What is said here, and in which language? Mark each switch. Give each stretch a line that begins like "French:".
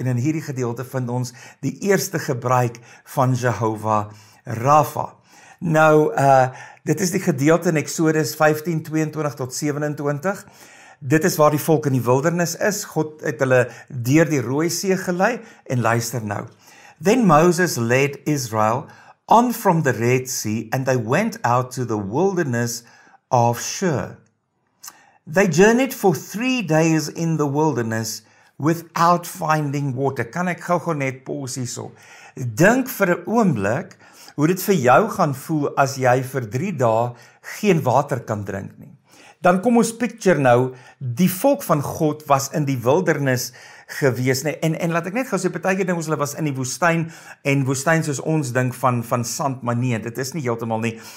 Afrikaans: En in hierdie gedeelte vind ons die eerste gebruik van Jehovah Rapha. Nou, dit is die gedeelte in Exodus 15, 22 tot 27. Dit is waar die volk in die wildernis is. God het hulle deur die Rooi See gelei. En luister nou.
English: Then Moses led Israel on from the Red Sea, and they went out to the wilderness of Shur. They journeyed for 3 days in the wilderness without finding water.
Afrikaans: Kan ek gou net pause hierso? Dink vir 'n oomblik hoe dit vir jou gaan voel as jy vir 3 dae geen water kan drink nie. Dan kom ons picture nou, die volk van God was in die wildernis gewees, nee. En laat ek net gou sê, partykeer dink ons hulle was in die woestyn, en woestyn soos ons dink van sand, maar nee, dit is nie heeltemal nie.